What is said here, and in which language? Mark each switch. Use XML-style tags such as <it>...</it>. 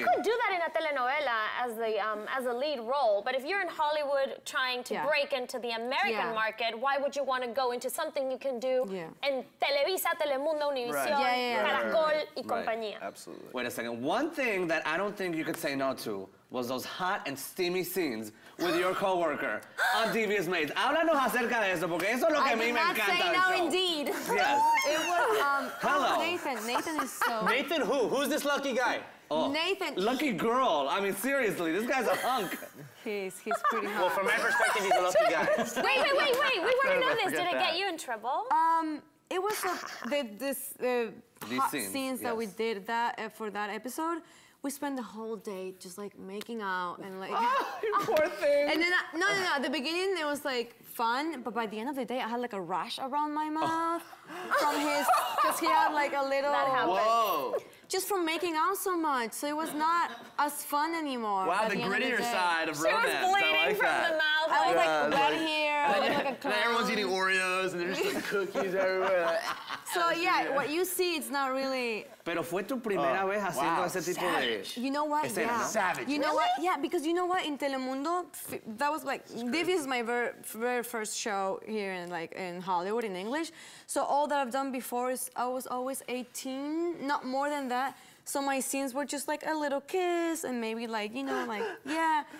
<en>You could do that in a telenovela as the as a lead role, but if you're in Hollywood trying to break into the American market, why would you want to go into something you can do in Televisa, Telemundo, Univision, Caracol,</en> <es>y compañía?</es> <en>Absolutely. Wait a second. One thing that I don't think you could say no to was those hot and steamy scenes with your coworker on Devious Maids.</en> <es>Háblanos acerca de eso, porque eso es lo que a mí me encanta.</es> <en>I did not say no, indeed. Yes. It was, hello. Nathan. Nathan is so... Nathan who? Who's this lucky guy? Oh. Nathan. Lucky girl. I mean, seriously, this guy's a hunk. He's pretty hot. Well, from my perspective, he's a lucky guy. Wait. We want to know this. Did it get you in trouble? It was the hot scenes that we did that for that episode. We spent the whole day just like making out and like. Oh, poor thing. And then no. At the beginning it was like fun, but by the end of the day I had like a rash around my mouth from his, because he had like a little. That happened. Whoa. Just from making out so much, so it was not as fun anymore. Wow, the grittier the side of romance. She was bleeding like from that. The mouth. I was like red like, here, like a clown. And everyone's eating Oreos and there's just like cookies everywhere. So yeah, what you see, it's not really.</en> <es>Pero fue tu primera vez haciendo ese tipo de.</es> <en>You know what?</en> <es>Escena,</es> <en>yeah.</en> <es>No?</es> <en>Savage. You know really? What? Yeah, because you know what? In Telemundo, that was like Divi's my very first show here in like in Hollywood in English. So all that I've done before is I was always 18, not more than that. So my scenes were just like a little kiss and maybe like, you know, like, yeah.</en>